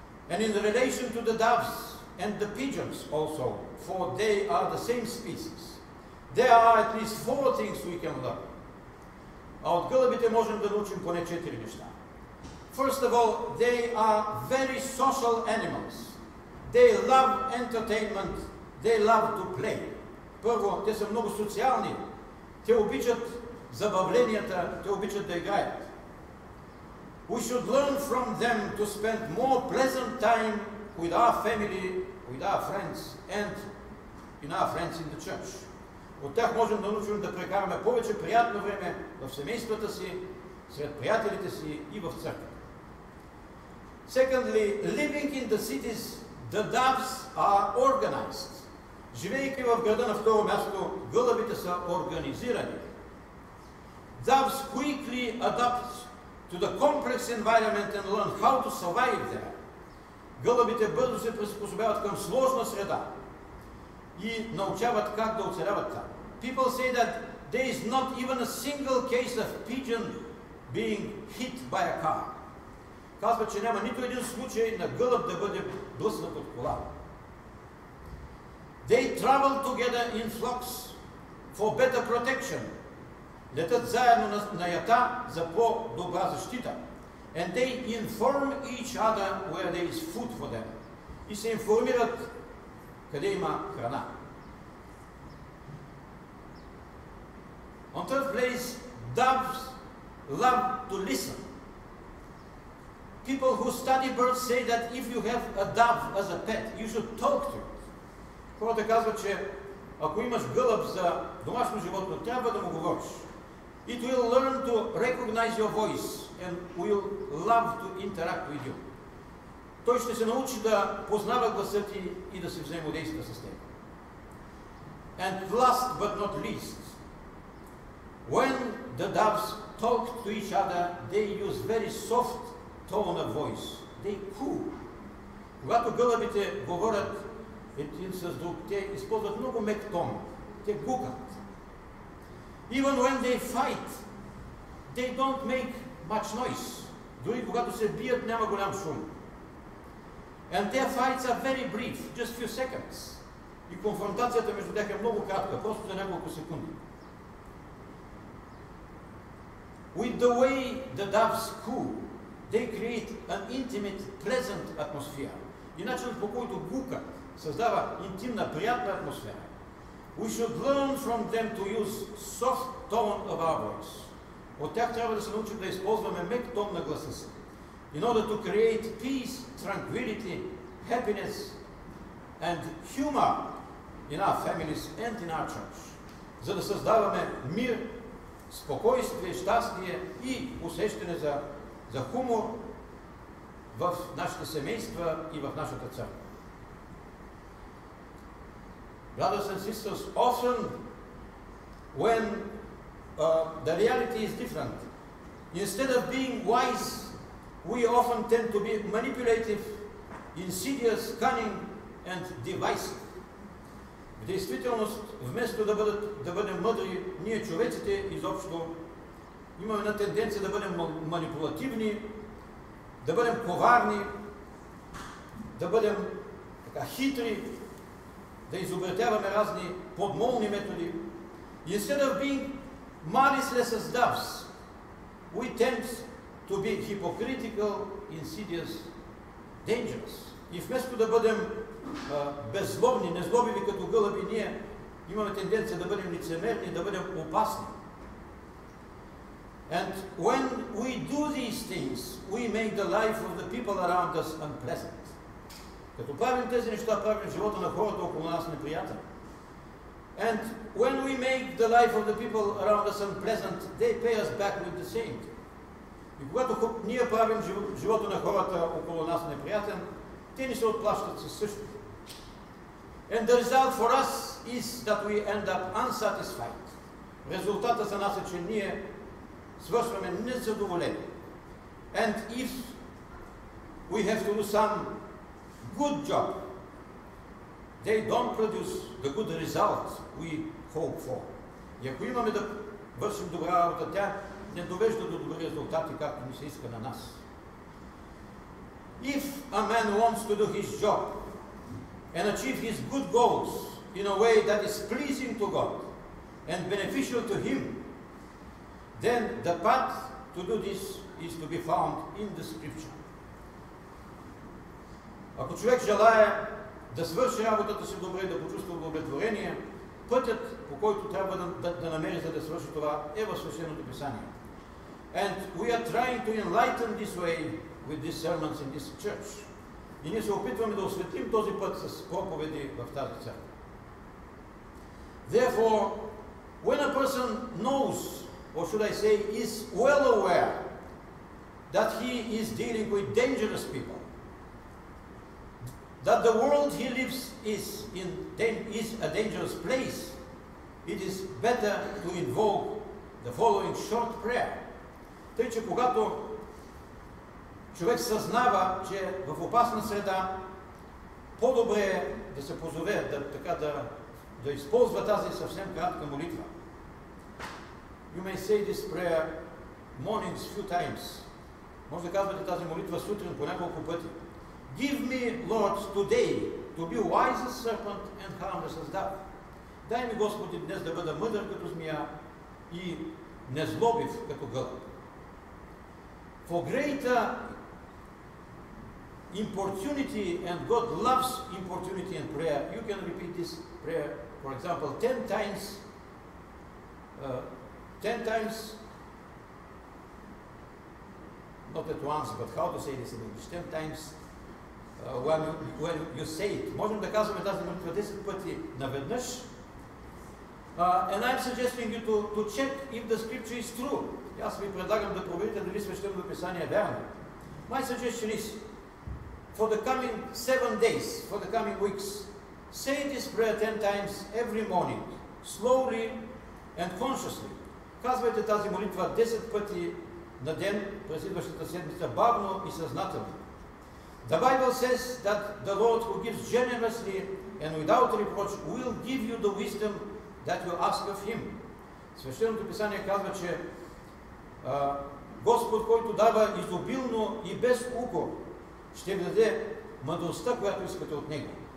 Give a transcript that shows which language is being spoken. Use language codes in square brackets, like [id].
[en] And in relation to the doves and the pigeons also, for they are the same species. There are at least four things we can learn. [bg] А от гълъбите можем да научим поне четири неща. [en] First of all, they are very social animals. They love entertainment. They love to play. [bg] Първо, те са много социални. Те обичат забавленията, те обичат да играят. [en] We should learn from them to spend more pleasant time with our family, with our friends, and in our friends in the church. [bg] От тях можем да научим да прекараме повече приятно време в семействата си, сред приятелите си и в църква. [en] Secondly, living in the cities, the doves are organized. [bg] Живейки в града на второ място, гълъбите са организирани. [en] Doves quickly adapt to the complex environment and learn how to survive there. [bg] Гълъбите бързо се приспособяват към сложна среда и научават как да оцеляват там. [en] People say that there is not even a single case of pigeon being hit by a car. [bg] Казват, че няма нито един случай на гълъб да бъде блъснат от кола. [en] They travel together in flocks for better protection. [bg] Летят заедно на ята за по-добра защита. [en] And they inform each other where there is food for them. [bg] И се информират къде има храна. [en] On third place, doves love to listen. People who study birds say that if you have a dove as a pet, you should talk to it. [bg] Хората казват, че ако имаш гълъб за домашно животно, трябва да му говориш. [en] It will learn to recognize your voice and will love to interact with you. [bg] Той ще се научи да познава гласа ти и да се взаимодейства с теб. [en] And last but not least, when the doves talk to each other, they use very soft tone of voice. They coo. [bg] Когато гълъбите говорят един с друг, те използват много мек тон. Те гукат. [en] Even when they fight, they don't make much noise. [bg] Дори когато се бият, няма голям шум. [en] And their fights are very brief, just few seconds. [bg] И конфронтацията между тях е много кратка, просто за няколко секунди. [en] With the way the doves coo, they create an intimate, pleasant atmosphere. [bg] И начинът, по който гука създава интимна, приятна атмосфера. [en] We should learn from them to use soft tone of our voice. [bg] От тях трябва да се научим да използваме мек тон на гласа си. [en] In order to create peace, tranquility, happiness and humor in our families and in our church. [bg] За да създаваме мир, спокойствие, щастие и усещане за хумор в нашите семейства и в нашата църква. [en] Brothers and sisters, often when the reality is different, instead of being wise, we often tend to be manipulative, insidious, cunning and divisive. [bg] В действителност, вместо да бъдем мъдри, ние човеците изобщо имаме една тенденция да бъдем манипулативни, да бъдем коварни, да бъдем така хитри, да изобретяваме разни подмолни методи. [en] Instead of being maliceless as doves, we tend to be hypocritical, insidious, dangerous. [bg] И вместо да бъдем беззлобни, незлобиви като гълъби, ние имаме тенденция да бъдем лицемерни, да бъдем опасни. [en] And when we do these things, we make the life of the people around us unpleasant. [bg] Като правим тези неща, правим живота на хората около нас неприятен. [en] And when we make the life of the people around us unpleasant, they pay us back with the same. [bg] И когато ние правим живота на хората около нас неприятен, те ни се отплащат със същото. [en] And the result for us is that we end up unsatisfied. [bg] Резултата за нас е, че ние свършваме незадоволени. [en] And if we have to do some good job, they don't produce the good result we hope for. [bg] И ако имаме да вършим добра работа, тя не довежда до добри резултати, както ни се иска на нас. [en] If a man wants to do his job and achieve his good goals in a way that is pleasing to God, and beneficial to him, then the path to do this is to be found in the scripture. [bg] Ако човек желая да свърши работата си добре, да почувства удовлетворение, пътят, по който трябва да намери, за да свърши това, е в Свещеното писание. [en] And we are trying to enlighten this way with these sermons in this church. [bg] И ние се опитваме да осветлим този път с проповеди в тази църква. [en] Therefore, when a person knows, or should I say, is well aware that he is dealing with dangerous people, that the world he lives is a dangerous place, it is better to invoke the following short prayer. [bg] Тъй, че когато човек съзнава, че в опасна среда, по-добре е да се позове, да използва тази съвсем кратка молитва. [en] You may say this prayer mornings few times. [bg] Може да казвате тази молитва сутрин по няколко пъти. [en] Give me, Lord, today to be wise as serpent and harmless as dove. [bg] Дай ми, Господи, днес да бъда мъдър като змия и незлобив като гълъб. [en] For greater importunity, and God loves importunity in prayer, you can repeat this prayer, for example, 10 times. 10 times, not at once, but how to say this in English? 10 times when you say it. [bg] Можем да казваме тази молитва 10 пъти наведнъж. [en] And I'm suggesting you to check if the scripture is true. [bg] Аз ви предлагам да проверите дали Свещеното писание е вярно. [en] My suggestion is, for the coming 7 days, for the coming weeks, say this prayer 10 times every morning, slowly and consciously. [bg] Казвайте тази молитва 10 пъти на ден през следващата седмица, бавно и съзнателно. [en] The Bible says that the Lord who gives generously and without reproach will give you the wisdom that you ask of him. [bg] Свещеното писание казва, че Господ, който дава изобилно и без укор, ще ви даде мъдростта, която искате от него.